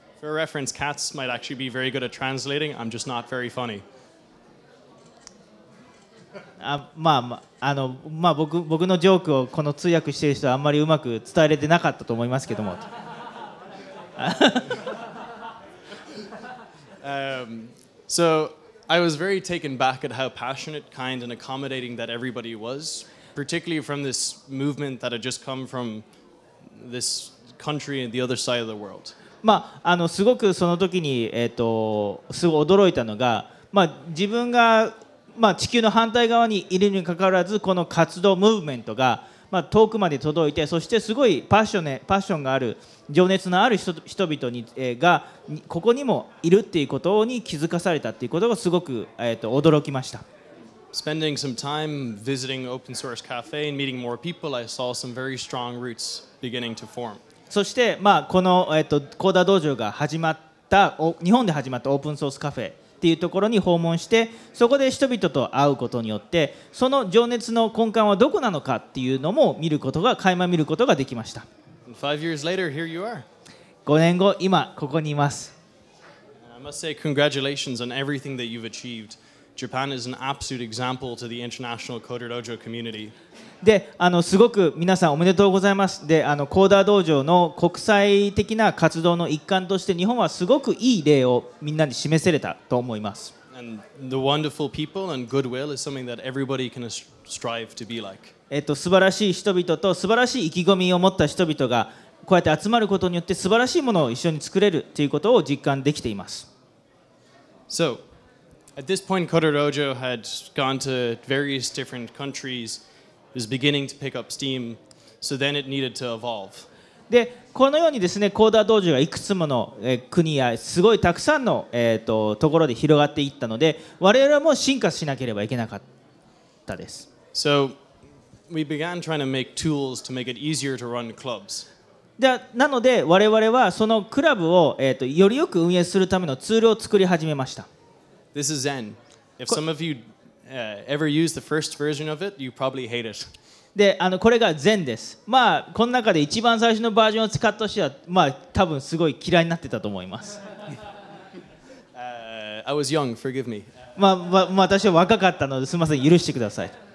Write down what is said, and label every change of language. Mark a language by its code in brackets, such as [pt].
[en] For reference, cats might actually be very good at translating. I'm just not very funny. [ja] まあ、僕のジョークをこの通訳している人はあんまりうまく伝えれてなかったと思いますけども。 [en] So I was very taken back at how passionate, kind, and accommodating that everybody was, particularly from this movement that had just come from this country and the other side of the world. [ja] まあ、すごくその時に、すごい驚いたのが、まあ、自分がまあ、地球の反対側にいるにかかわらずこの活動ムーブメントが、まあ、遠くまで届いてそしてすごいパッションがある情熱のある 人々がここにもいるっていうことに気づかされたっていうことがすごく、驚きました。 [en] Spending some time visiting open source cafe and meeting more people, I saw some very strong roots beginning to form. [ja] そして、まあ、このCoderDojoが始まった日本で始まったオープンソースカフェっていうところに訪問して、そこで人々と会うことによって、その情熱の根幹はどこなのかっていうのも見ることが垣間見ることができました。 [en] 5 years later, here you are. [ja] 5年後、今ここにいます。 [en] I must say congratulations on everything that you've achieved. Japan is an absolute example to the international CoderDojo community. [ja] で、すごく皆さんおめでとうございます。で、CoderDojoの国際的な活動の一環として日本はすごくいい例をみんなに示せれたと思います。 [en] And the wonderful people and goodwill is something that everybody can strive to be like. [ja] 素晴らしい人々と素晴らしい意気込みを持った人々がこうやって集まることによって素晴らしいものを一緒に作れるということを実感できています。 [en] So, at this point, CoderDojo had gone to various different countries. Was beginning to pick up steam, so then it needed to evolve. [ja] で、このようにですね、CoderDojoがいくつもの国やすごいたくさんのところで広がっていったので、我々も進化しなければいけなかったです。 [en] So we began trying to make tools to make it easier to run clubs. [ja] で、なので我々はそのクラブをよりよく運営するためのツールを作り始めました。 [en] This is Zen. If some of youever use the first version of it, you probably hate it. [ja] で、これが Zen です。まあ、この中で一番最初のバージョンを使った人は、まあ、多分すごい嫌いになってたと思います。 [en] I was young, forgive me. [ja] まあ、私は若かったので、すみません、許してください。